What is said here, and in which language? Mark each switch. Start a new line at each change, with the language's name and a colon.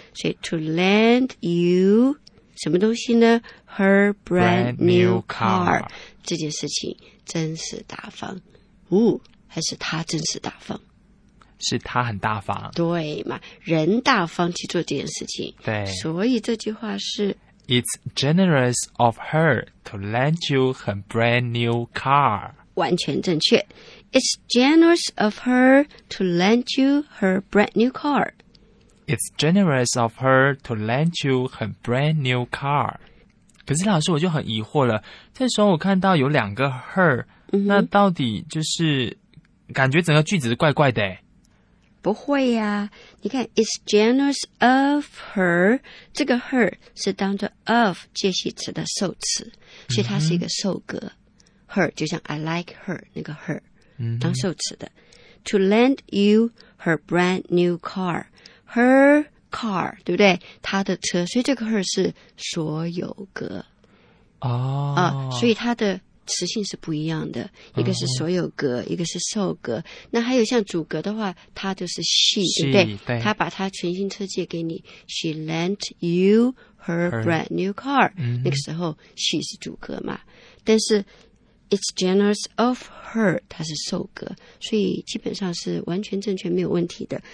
Chinese: 所以
English: to lend you
Chinese: 什么东西呢
English: Her brand new car
Chinese: 这件事情真是大方、还是他真是大方是他很大方。对嘛，人大方去做这件事情。对，所以这句话是
English: It's generous of her to lend you her brand new car.
Chinese: 完全正确。
English: It's generous of her to lend you her brand new car. It's generous of her to lend you her brand new car.
Chinese: 可是老师，我就很疑惑了，这时候我看到有两个 her，那到底就是感觉整个句子是怪怪的。不会呀、啊，你看 ，
English: it's generous of her，
Chinese: 这个 her 是当作 of 介系词的受词，所以它是一个受格。 Her 就像
English: I like her
Chinese: 那个 her 当受词的。
English: To lend you her brand new car， her car
Chinese: 对不对？她的车，所以这个 her 是所有格。哦，所以它的词性是不一样的，一个是所有格、哦、一个是受格。那还有像主格的话，它就是
English: she
Chinese: 对不对？他把他全新车借给你，
English: she lent you her brand new car、
Chinese: 那个时候 she 是主格嘛，但是
English: it's generous of her
Chinese: 它是受格，所以基本上是完全正确，没有问题的。